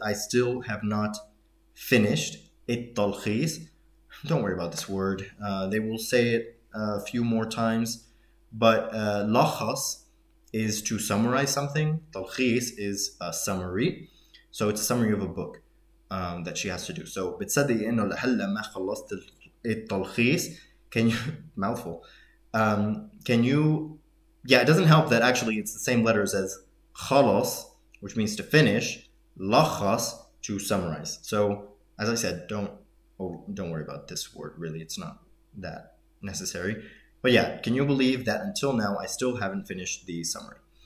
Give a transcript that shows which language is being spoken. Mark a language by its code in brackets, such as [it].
[en] I still have not finished التلخيص. Don't worry about this word. They will say it a few more times. But لخص is to summarize something. تلخيص is a summary. So, it's a summary of a book that she has to do. [ar] So, بتصدق إنه لهلا ما خلصت التلخيص. [en] Can you mouthful? Can you? Yeah, it doesn't help that actually it's the same letters as خلص, which means to finish, لخص to summarize. So as I said, don't worry about this word really. It's not that necessary. But yeah, can you believe that until now I still haven't finished the summary?